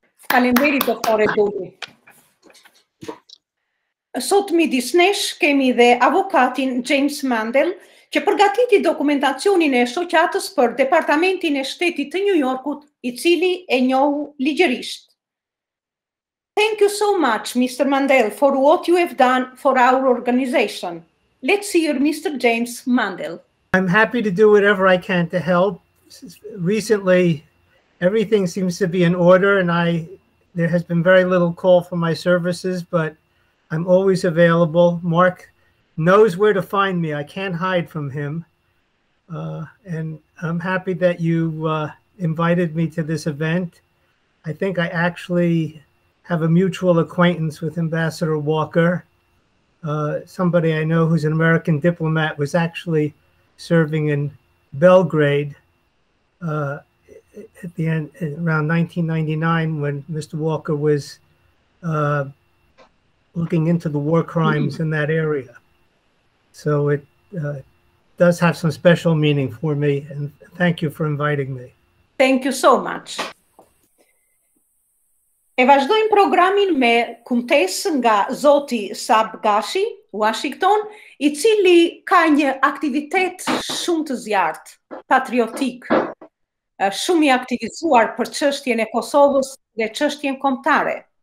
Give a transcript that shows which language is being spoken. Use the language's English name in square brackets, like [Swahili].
[Albanian] Faleminderit doktore Duri. Sot midis nesh kemi dhe avokatin James Mandel, që përgatiti dokumentacionin e shoqatës për Departamentin e Shtetit të New Yorkut, i cili e njohu ligjërisht. [English] Thank you so much, Mr. Mandel, for what you have done for our organization. Let's hear Mr. James Mandel. I'm happy to do whatever I can to help. Recently, everything seems to be in order, and there has been very little call for my services, but I'm always available. Mark knows where to find me. I can't hide from him. And I'm happy that you invited me to this event. I think I actually have a mutual acquaintance with Ambassador Walker. Somebody I know who's an American diplomat was actually serving in Belgrade at the end, around 1999, when Mr. Walker was looking into the war crimes in that area. So it does have some special meaning for me, and thank you for inviting me. Thank you so much. [Albanian] E vazhdojmë programin me kumtesë nga Zoti Sab Gashi, Washington, i cili ka një aktivitet shumë të zjartë, patriotik, shumë i aktivizuar për çështjen e Kosovës dhe çështjen kombëtare.